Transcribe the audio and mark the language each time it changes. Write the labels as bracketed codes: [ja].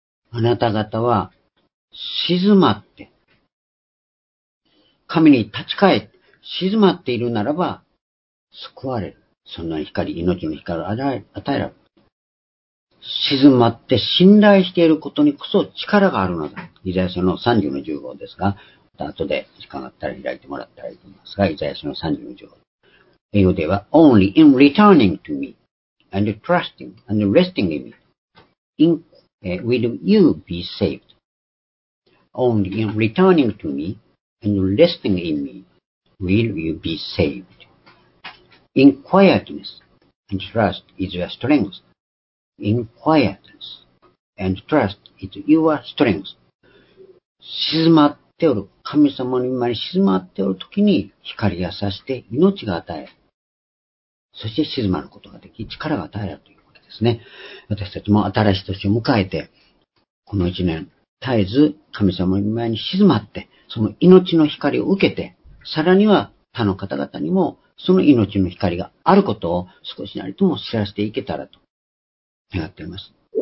[ja] あなた方は、静まって、神に立ち返って、静まっているならば、救われる。そんな光、命の光を与えられる。静まって信頼していることにこそ力があるのだ。イザヤ書の30の15ですが、また後で時間があったら開いてもらったらいいと思いますが、イザヤ書の30の15。英語では、 [en] only in returning to me, and trusting, and resting in me, will you be saved. Only in returning to me and resting in me will you be saved. In quietness and trust is your strength. In quietness and trust is your strength. [ja] 静まっておる、神様の前に静まっておるときに光が差して命が与え、そして静まることができ、力が与えるということですね。私たちも新しい年を迎えて、この一年、絶えず神様の御前に静まって、その命の光を受けて、さらには他の方々にもその命の光があることを少しなりとも知らせていけたらと願っています。